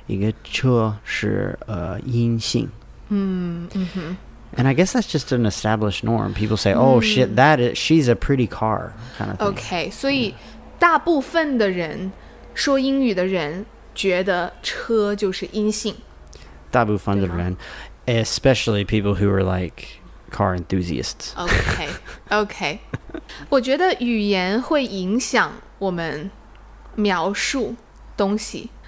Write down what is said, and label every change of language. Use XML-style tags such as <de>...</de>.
<zh>但是英文没有需要说那个性别，但是我们的感觉是一个车是阴性。</zh> <en>And I guess that's just an established norm. People say, oh, shit, that is, she's a pretty car kind of thing.</en> <zh>Okay, 所以大部分的人说英语的人觉得车就是阴性。大部分的人,</zh> <en>especially people who are like car enthusiasts. Okay.</en> <zh>我觉得语言会影响我们描述东西。</zh>